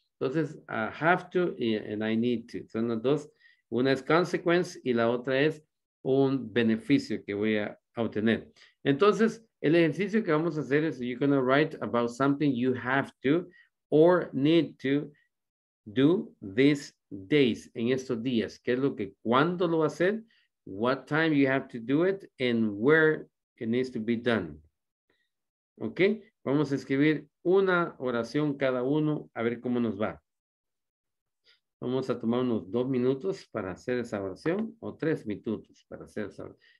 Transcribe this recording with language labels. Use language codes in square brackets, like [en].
[en] Entonces, I have to and I need to. [es] Son las dos. Una es consequence y la otra es un beneficio que voy a obtener. Entonces, el ejercicio que vamos a hacer es [en] you're going to write about something you have to or need to do these days, [es] en estos días. ¿Qué es lo que, cuándo lo va a hacer? [en] What time you have to do it and where it needs to be done. [es] ¿Ok? Vamos a escribir una oración cada uno a ver cómo nos va. Vamos a tomar unos 2 minutos para hacer esa oración o 3 minutos para hacer esa oración.